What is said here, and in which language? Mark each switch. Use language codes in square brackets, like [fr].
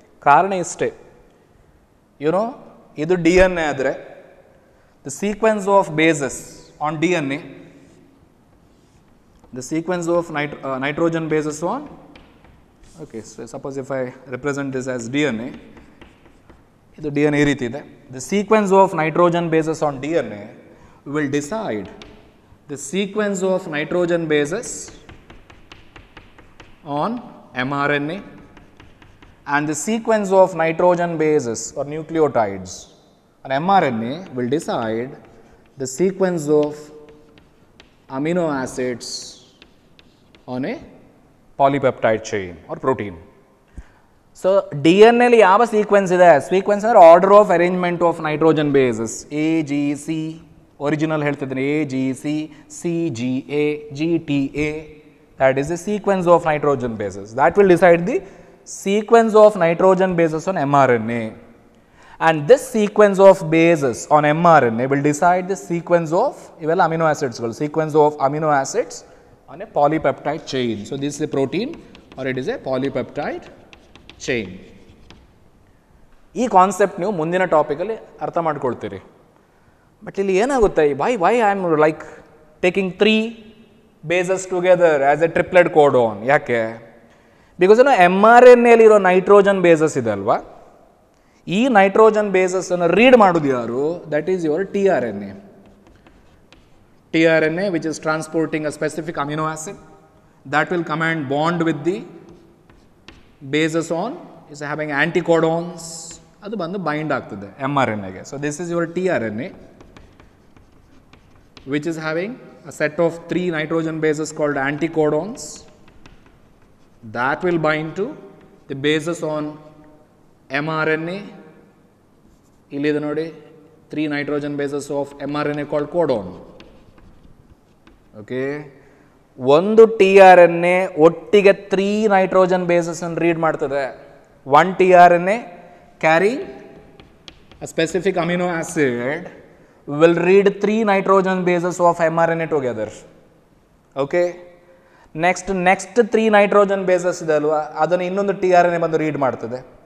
[kn] ಕಾರಣ ಇಷ್ಟೇ, [en] you know [kn] ಇದು ಡಿ ಎನ್ ಎ ಆದರೆ [en] the sequence of bases on D N A, the sequence of nitrogen bases on, okay suppose if I represent this as D N A, [kn] ಇದು D N A ರೀತಿ ಇದೆ. [en] The sequence of nitrogen bases on D N A will decide the sequence of nitrogen bases on mRNA and the sequence of nitrogen bases or nucleotides on mRNA will decide the sequence of amino acids on a polypeptide chain or protein. So [kn] DNA li yava sequence ide? [en] Sequence or order of arrangement of nitrogen bases, A, G, C. [kn] Original ಹೇಳ್ತಿದ್ದೀನಿ, [en] A G C, C G A, G T A, that is the sequence of nitrogen bases. That will decide the sequence of nitrogen bases on M R N A, and this sequence of bases on M R N A will decide the sequence of, [kn] ಇವೆಲ್ಲ amino ಆಸಿಡ್ಸ್ಗಳು, [en] Sequence of amino acids on a polypeptide chain. So this a protein or it is a polypeptide chain. [kn] ಈ concept ನೀವು ಮುಂದಿನ ಟಾಪಿಕಲ್ಲಿ ಅರ್ಥ ಮಾಡ್ಕೊಳ್ತೀರಿ. [en] but [kn] ಇಲ್ಲಿ ಏನಾಗುತ್ತೆ, [en] Why I am like taking three bases together as a tripled code on? [kn] ಯಾಕೆ? Because ಏನೋ M R N ಎಲ್ಲಿರೋ nitrogen basis ಇದೆ ಅಲ್ವಾ, ಈ ನೈಟ್ರೋಜನ್ ಬೇಸಸ್ಸನ್ನು ರೀಡ್ ಮಾಡೋದು ಯಾರು? [en] That is your T R N A. T R N A which is transporting a specific amino acid that will come and bond with the bases on, is having anticodons, [kn] ಅದು ಬಂದು bind ಆಗ್ತದೆ M R N ಎಗೆ. [en] So this is your T R N A which is having a set of three nitrogen bases called anticodons that will bind to the bases on mRNA. [kn] ಇಲ್ಲಿ ಇದೆ ನೋಡಿ, [en] three nitrogen bases of mRNA called codon. Okay. [kn] ಒಂದು T R N A ಒಟ್ಟಿಗೆ three nitrogen basis ಅನ್ನು read ಮಾಡ್ತದೆ. [en] One T R N A carry a specific amino acid will read three nitrogen bases of M R N A together. [kn] Okay, [en] next next three nitrogen bases [kn] ಇದೆ ಅಲ್ವಾ, ಅದನ್ನು ಇನ್ನೊಂದು T R N A ಬಂದು read ಮಾಡ್ತದೆ.